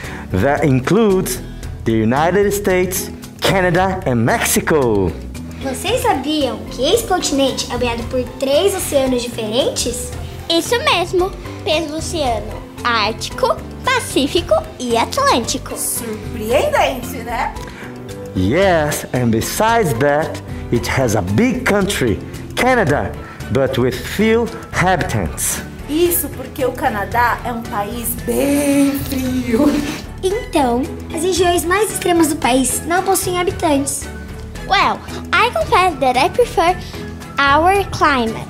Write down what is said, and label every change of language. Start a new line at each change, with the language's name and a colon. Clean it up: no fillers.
English: That includes the United States, Canada and Mexico.
Portuguese: Vocês sabiam que esse continente é banhado por três oceanos diferentes? Isso mesmo, pelo oceano Ártico, Pacífico e Atlântico. Surpreendente, né?
English: Yes, and besides that, it has a big country, Canada, but with few inhabitants.
Portuguese: Isso porque o Canadá é um país bem frio. Então, as regiões mais extremas do país não possuem habitantes.
English: Well, I confess that I prefer our climate.